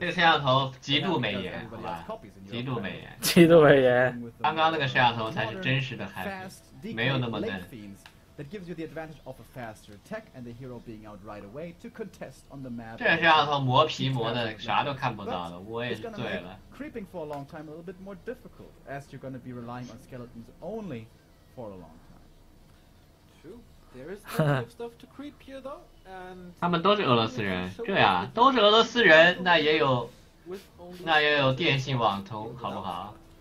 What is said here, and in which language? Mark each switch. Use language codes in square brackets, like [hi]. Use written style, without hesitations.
[zh] 这个摄像头极度美颜，好吧，极度美颜，极度美颜。刚刚那个摄像头才是真实的 happy， 没有那么嫩。 [en] That gives you the advantage of a faster tech and the hero being out right away to contest on the map. [zh] 这摄像头磨皮磨的啥都看不到了，我也是醉了。 [en] Creeping for a long time a little bit more difficult as you're going to be relying on skeletons only for a long time. True. There is plenty of stuff to creep here though. [zh] 他们都是俄罗斯人，对啊，都是俄罗斯人，那也有电信网通，好不好？